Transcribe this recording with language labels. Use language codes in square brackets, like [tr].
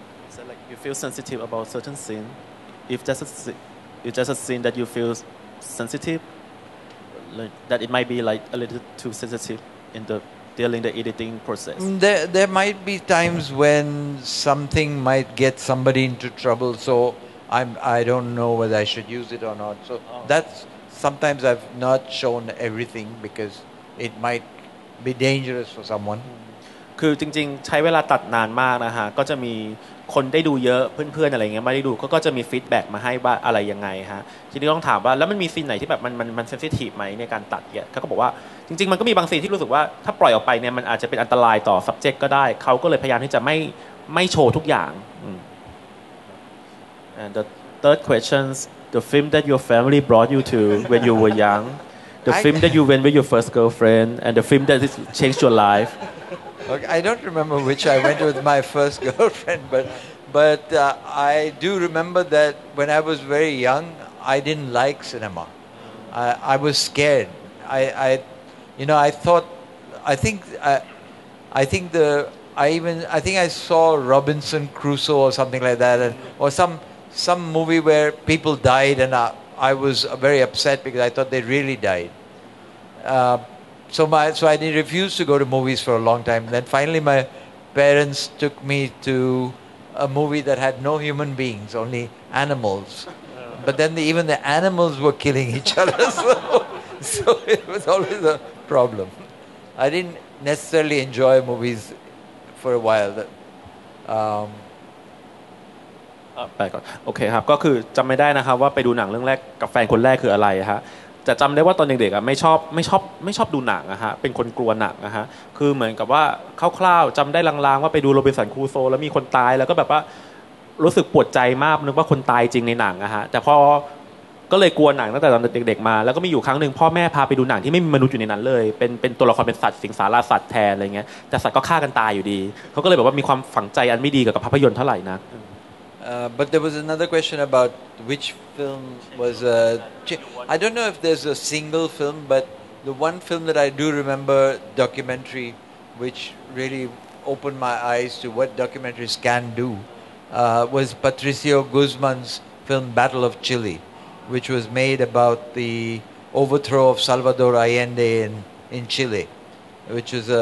[en] So like you feel sensitive about certain scene, if there's a scene that you feel sensitive, like, that it might be like a little too sensitive in the dealing the editing process. There might be times when something might get somebody into trouble, so I don't know whether I should use it or not. So that's sometimes I've not shown everything because it might be dangerous for someone. [th] คือจริงๆใช้เวลาตัดนานมากนะฮะก็จะมีคนได้ดูเยอะเพื่อนๆอะไรเงี้ยไม่ได้ดูก็จะมีฟีดแบ็กมาให้ว่าอะไรยังไงฮะทีนี้ต้องถามว่าแล้วมันมีซีนไหนที่แบบมันเซนซิทีฟไหมในการตัดเนี่ยเขาก็บอกว่าจริงๆมันก็มีบางซีนที่รู้สึกว่าถ้าปล่อยออกไปเนี่ยมันอาจจะเป็นอันตรายต่อ subject ก็ได้เขาก็เลยพยายามที่จะไม่โชว์ทุกอย่าง [en] and the third questions the film that your family brought you to when you were young the film that you went with your first girlfriend and the film that changed your life okay, I don't remember which I went with my first girlfriend but I do remember that when I was very young I didn't like cinema I was scared I you know I saw Robinson Crusoe or something like that and, or some movie where people died and I was very upset because I thought they really died so I did refuse to go to movies for a long time then finally my parents took me to a movie that had no human beings only animals but then even the animals were killing each other so it was always a problem I didn't necessarily enjoy movies for a while that, [th] ไปก่อนโอเคครับก็คือจำไม่ได้นะครับว่าไปดูหนังเรื่องแรกกับแฟนคนแรกคืออะไรฮะแต่จำได้ว่าตอนเด็กๆไม่ชอบดูหนังนะฮะเป็นคนกลัวหนังนะฮะคือเหมือนกับว่าคร่าวๆจำได้ลางๆว่าไปดูโรบินสันครูโซแล้วมีคนตายแล้วก็แบบว่ารู้สึกปวดใจมากนึกว่าคนตายจริงในหนังนะฮะแต่พอก็เลยกลัวหนังตั้งแต่ตอนเด็กๆมาแล้วก็มีอยู่ครั้งนึงพ่อแม่พาไปดูหนังที่ไม่มีมนุษย์อยู่ในนั้นเลยเป็นตัวละครเป็นสัตว์สิงสาราสัตว์แทนอะไรเงี้ยแต่สัตว์ก็ฆ่ากันตายอยู่ดีเขาก็เลยแบบว่ามีความฝังใจอันไม่ดีกับภาพยนตร์เท่าไหร่นะ [en] But there was another question about which film was a... I don't know if there's a single film, but the one film that I do remember, documentary, which really opened my eyes to what documentaries can do, was Patricio Guzman's film Battle of Chile, which was made about the overthrow of Salvador Allende in Chile, which was...